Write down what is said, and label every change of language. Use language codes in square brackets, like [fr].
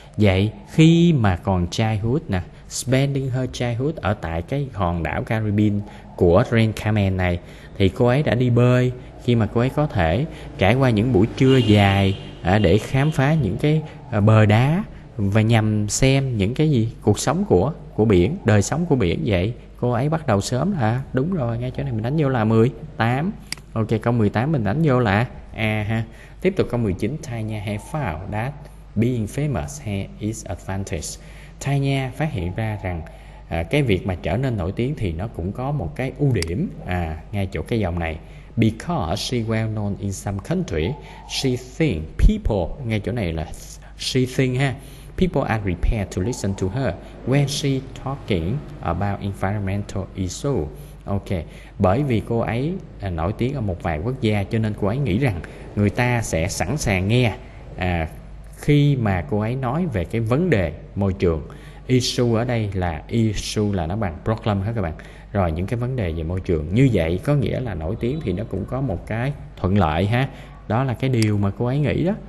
[vi] Vậy khi mà còn childhood nè, [en] spending her childhood [vi] ở tại cái hòn đảo Caribbean của Grand Cayman này, thì cô ấy đã đi bơi khi mà cô ấy có thể, trải qua những buổi trưa dài để khám phá những cái bờ đá và nhằm xem những cái gì cuộc sống của biển, đời sống của biển. Vậy cô ấy bắt đầu sớm là đúng rồi. Ngay chỗ này mình đánh vô là 18. Ok, câu 18 mình đánh vô là A ha. Tiếp tục câu 19. [en] Tanya has found that being famous has its advantage. [vi] Tanya phát hiện ra rằng cái việc mà trở nên nổi tiếng thì nó cũng có một cái ưu điểm. Ngay chỗ cái dòng này, [en] because she well known in some country, she think people, [vi] ngay chỗ này là [en] she think ha, people are prepared to listen to her when she talking about environmental issue. [vi] Ok, bởi vì cô ấy nổi tiếng ở một vài quốc gia cho nên cô ấy nghĩ rằng người ta sẽ sẵn sàng nghe khi mà cô ấy nói về cái vấn đề môi trường. Issue ở đây là issue là nó bằng problem hết các bạn. rồi những cái vấn đề về môi trường. Như vậy có nghĩa là nổi tiếng thì nó cũng có một cái thuận lợi ha, đó là cái điều mà cô ấy nghĩ đó.